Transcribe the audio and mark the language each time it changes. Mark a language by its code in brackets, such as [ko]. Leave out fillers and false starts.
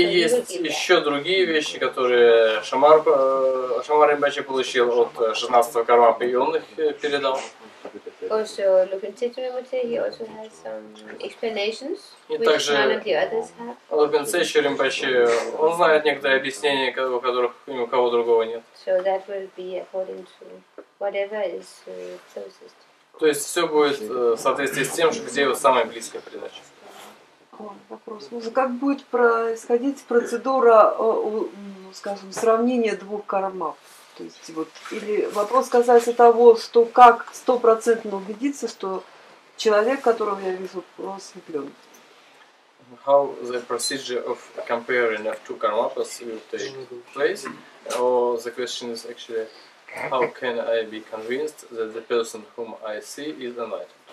[ru] есть еще другие вещи, которые Шамар Ринпоче получил от 16-го кармапы, и он их передал. [en] Also, Lukin Tetsu Rinpoche, he also has some explanations, which none of the others have. [ru] Lukin Tetsu Rinpoche, он знает некоторые объяснения, у которых ни у кого другого нет. [en] So that will be according to whatever is closest. [ru] То есть все будет в соответствии с тем, что где его самая близкая передача. Вопрос. Как будет происходить процедура, скажем, сравнения двух кармап? То есть вот, или вопрос касается того, что как стопроцентно убедиться, что человек, которого я вижу, просветлен. [en] How the procedure of comparing of two karmapas will take place? Or the question is actually, how can I be convinced that the person whom I see is enlightened?